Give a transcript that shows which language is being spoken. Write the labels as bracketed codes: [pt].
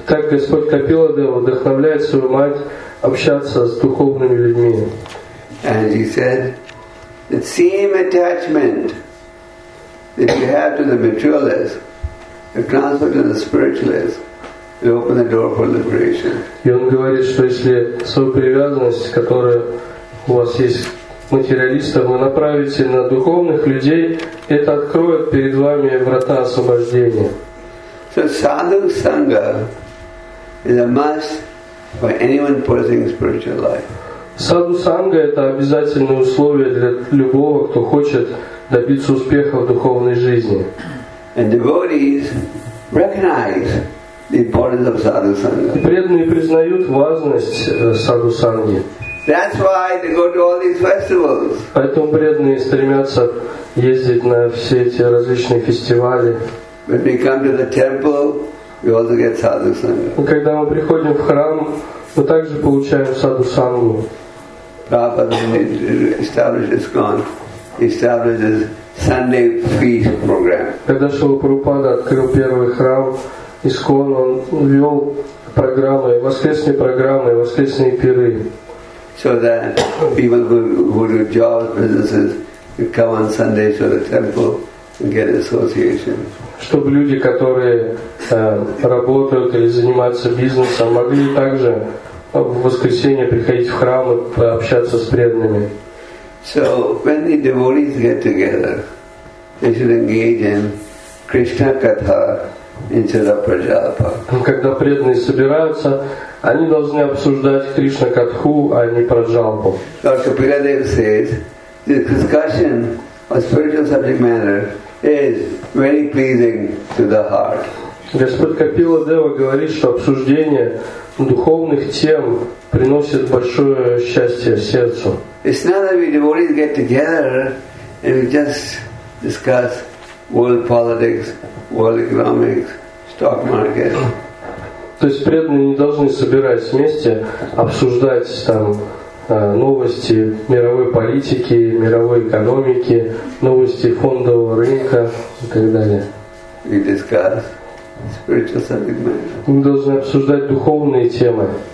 [ru] Так Господь Капила Дева вдохновляет свою мать общаться с духовными людьми. [en] And he said, the same attachment that you have to the materialist, if transferred to the spiritualist, it opens the door for liberation. [ru] И он говорит, что если свою привязанность, которая у вас есть к материалистам, вы направите на духовных людей, это откроет перед вами врата освобождения. [en] So sadhu sangha is a must for anyone pursuing spiritual life. [ru] Саду санга – это обязательное условие для любого, кто хочет добиться успеха в духовной жизни. [en] And devotees recognize the importance of sadhu sangha. [ru] Преданные признают важность саду санги. [en] That's why they go to all these festivals. [ru] Поэтому преданные стремятся ездить на все эти различные фестивали. [en] When we come to the temple, we also get sadhu sangha. [ru] Когда мы приходим в храм, мы также получаем саду сангу. [en] Prabhupada established ISKCON, established his Sunday feast program. [ru] Когда Шрила Прабхупада открыл первый храм ISKCON, он ввел программы, воскресные программы, воскресные пиры. [en] So that people who do jobs, businesses, come on Sunday to the temple and get association. [ru] Чтобы люди, которые работают или занимаются бизнесом, могли также в воскресенье приходить в храм и общаться с преданными. [en] So when the devotees get together, they should engage in Krishna katha instead of prajapa. [ru] Когда преданные собираются, они должны обсуждать Кришна катху, а не праджалпу. [en] So Kapila Dev says, the discussion on spiritual subject matter is very pleasing to the heart. [ru] Господь Капила Дева говорит, что обсуждение духовных тем приносит большое счастье сердцу. [en] It's not that we devotees get together and we just discuss world politics, world economics, stock market. [ru] То есть преданные не должны собираться вместе обсуждать там новости мировой политики, мировой экономики, новости фондового рынка и так далее. [en] We discuss spiritual subject matter. [ru] Мы должны обсуждать духовные темы.